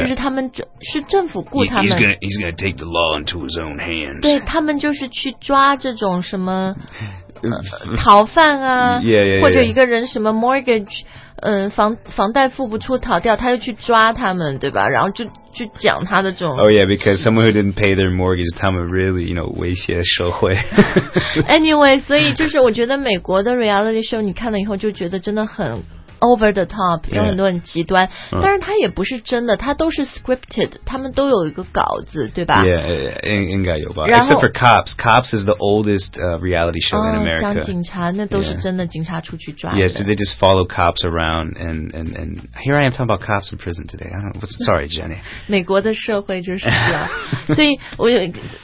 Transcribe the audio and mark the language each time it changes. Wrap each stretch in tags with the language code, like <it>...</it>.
<zh>就是他们是政府雇他们。</zh> <en>He's gonna take the law into his own hands。</en> <zh>对，他们就是去抓这种什么、逃犯啊，</zh> <en>yeah, yeah, yeah, yeah.</en> <zh>或者一个人什么 mortgage， 房贷付不出逃掉，他就去抓他们，对吧？然后就讲他的这种。</zh> <en>Oh yeah, because someone who didn't pay their mortgage，</en> <zh>他们</zh> <en>really you know</en> <zh>威胁社会。 Anyway， 所以就是我觉得美国的 reality show 你看了以后就觉得真的很</zh> <en>over the top，</en> <zh>有很多很极端，</zh> <en>yeah.</en> <zh>但是它也不是真的，它都是 scripted， 他们都有一个稿子，对吧</zh> <en>？Yeah，</en> <zh>应该有吧。</zh> <en>Except for cops， cops is the oldest reality show in America。</en> <zh>讲警察那都是真的，警察出去抓的。</zh> <en>Yes,、yeah, so、they just follow cops around and here I am talking about cops in prison today. I'm sorry, Jenny.</en> <zh>美国的社会就是这样，所以我有一个。</zh>